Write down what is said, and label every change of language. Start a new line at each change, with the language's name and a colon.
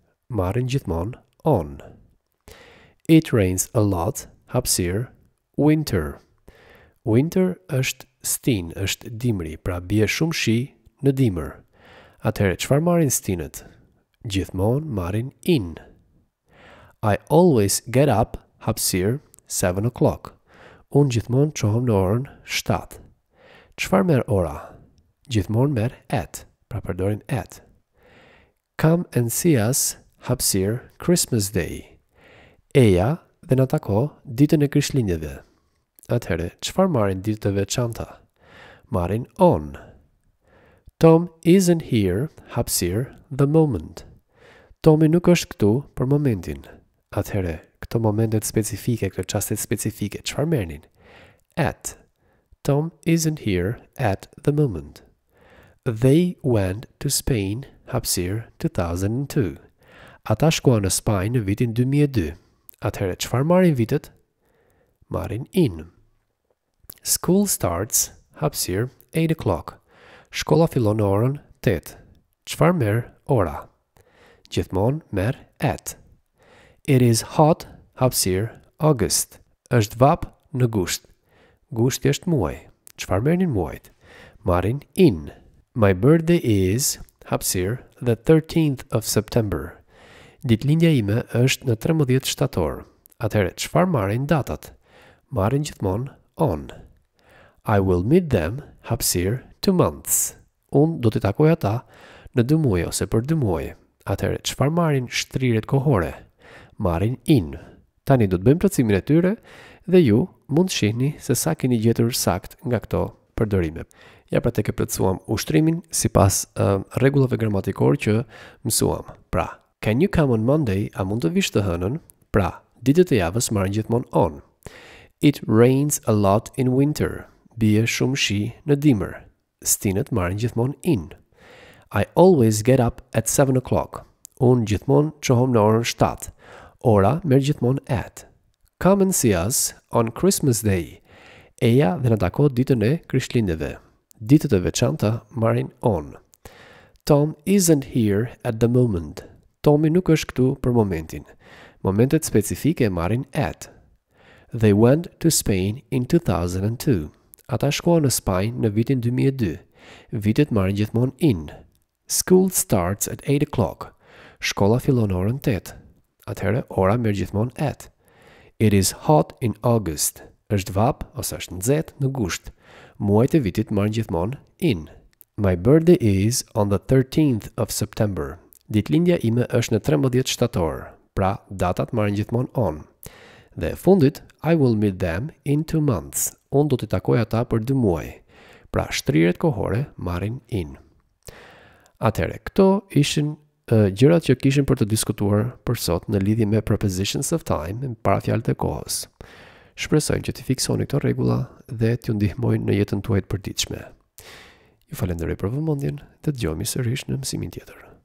Albanian: Marrin gjithmonë on.
English: It rains a lot hapësir winter.
Albanian: Winter është stin, është dimri, pra bie shumë shi në dimër. Atëherë, çfarë marrin stinët? Gjithmonë marrin in.
English: I always get up hapsir 7 o'clock.
Albanian: Unë gjithmonë qohëm në orën 7. Qfar merë ora? Gjithmonë merë at, pra përdorim at.
English: Come and see us hapsir Christmas Day.
Albanian: Eja dhe në tako ditën e krishtlindjeve. Atëherë, qfar marrin ditët e veçanta? Marrin on.
English: Tom isn't here hapsir the moment.
Albanian: Tomi nuk është këtu për momentin. Atëherë, këto momentet specifike, këto qastet specifike, çfarë merrnin?
English: At. Tom isn't here at the moment. They went to Spain, hapsir, 2002.
Albanian: Ata shkuan në Spanjë në vitin 2002. Atëherë, çfarë marrin vitet? Marrin in.
English: School starts, hapsir, 8 o'clock.
Albanian: Shkolla fillon në orën 8. Çfarë merr ora? Gjithmonë merr at.
English: It is hot, hapsir, August.
Albanian: Është vap në gusht. Gushti është muaj. Çfarë merrnin muajt? Marrin in.
English: My birthday is, hapsir, the 13th of September.
Albanian: Ditëlindja ime është në 13 shtator. Atëherë, çfarë marrin datat? Marrin gjithmonë on.
English: I will meet them, hapsir, 2 months.
Albanian: Unë do t'i takoj ata në 2 muaj ose për 2 muaj. Atëherë, çfarë marrin shtrirët kohore? Marrin in. Tani do të bëjmë plotësimin e tyre dhe ju mund të shihni se sa keni gjetur sakt nga këto përdorime. Ja pra tek e plotësuam ushtrimin sipas rregullave gramatikore që mësuam.
English: Pra, can you come on Monday?
Albanian: A mund të vish të hënën? Pra, ditët e javës marrin gjithmonë on.
English: It rains a lot in winter.
Albanian: Bie shumë shi në dimër. Stinët marrin gjithmonë in.
English: I always get up at 7 o'clock.
Albanian: Unë gjithmonë qohëm në orën 7. Ora merë gjithmonë at.
English: Come and see us on Christmas Day.
Albanian: Eja dhe në tako ditën e krishtlindjeve. Ditët e veçanta marrin on.
English: Tom isn't here at the moment.
Albanian: Tomi nuk është këtu për momentin. Momentet specifike marrin at.
English: They went to Spain in 2002.
Albanian: Ata shkuan në Spanjë në vitin 2002. Vitet marrin gjithmonë in.
English: School starts at 8 o'clock.
Albanian: Shkolla fillon orën 8. Atëherë ora merr gjithmonë at.
English: It is hot in August.
Albanian: Është vap ose është nxehtë në gusht. Muajt e vitit marrin gjithmonë in.
English: My birthday is on the 13th of September.
Albanian: Ditëlindja ime është në 13 shtator. Pra, datat marrin gjithmonë on. Dhe fundit,
English: I will meet them in 2 months.
Albanian: Unë do t'i takoj ata për 2 muaj. Pra, shtriret kohore marrin in. Atëherë, këto ishin gjërat që kishin për të diskutuar për sot në lidhje me
English: prepositions of time,
Albanian: parafjalët e kohës. Shpresojmë që t'i fiksoni këto rregulla dhe t'ju ndihmojnë në jetën tuaj të përditshme. Ju falenderoj për vëmendjen dhe dëgjojmë sërish në mësimin tjetër.